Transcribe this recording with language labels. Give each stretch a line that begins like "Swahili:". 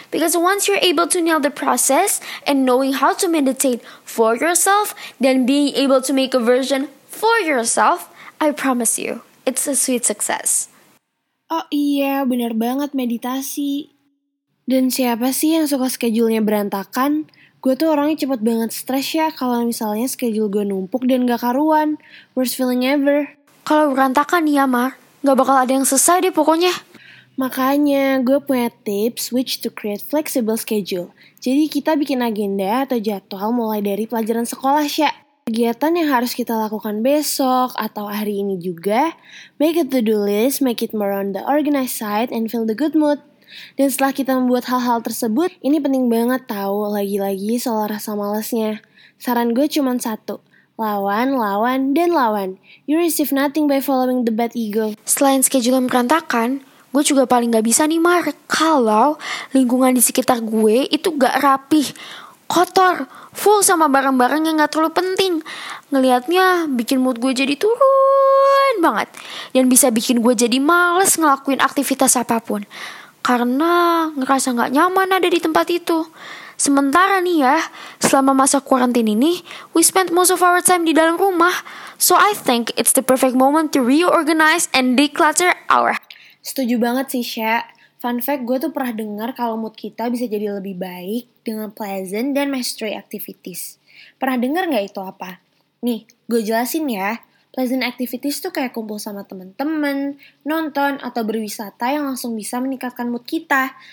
English: Because once you're able to nail the process and knowing how to meditate for yourself, then being able to make a version for yourself, I promise you, it's a sweet success.
Indonesian: Oh iya, benar banget meditasi. Dan siapa sih yang suka schedule-nya berantakan? Gue tuh orangnya cepet banget stres ya kalau misalnya schedule gue numpuk dan gak karuan.
English: Worst feeling ever.
Indonesian: Kalau berantakan ya, Mar. Gak bakal ada yang selesai deh pokoknya. Makanya gue punya
English: tips which to create flexible schedule.
Indonesian: Jadi kita bikin agenda atau jadwal mulai dari pelajaran sekolah, Syah. Kegiatan yang harus kita lakukan besok atau hari ini juga.
English: Make a to-do list, make it more on the organized side and feel the good mood.
Indonesian: Dan setelah kita membuat hal-hal tersebut, ini penting banget tahu lagi-lagi soal rasa malasnya. Saran gue cuma satu, lawan, lawan, dan lawan.
English: You receive nothing by following the bad ego.
Indonesian: Selain schedule yang berantakan, gue juga paling gak bisa nih, Mar, kalau lingkungan di sekitar gue itu gak rapih, kotor, full sama barang-barang yang gak terlalu penting. Ngelihatnya bikin mood gue jadi turun banget, dan bisa bikin gue jadi malas ngelakuin aktivitas apapun. Karena ngerasa gak nyaman ada di tempat itu. Sementara nih ya, selama masa kuarantin ini,
English: we spent most of our time
Indonesian: di dalam rumah.
English: So I think it's the perfect moment to reorganize and declutter our.
Indonesian: Setuju banget sih, Sha. Fun fact, gue tuh pernah dengar kalau mood kita bisa jadi lebih baik dengan pleasant dan mastery activities. Pernah dengar gak itu apa? Nih, gue jelasin ya. Pleasant activities tuh kayak kumpul sama temen-temen, nonton, atau berwisata yang langsung bisa meningkatkan mood kita.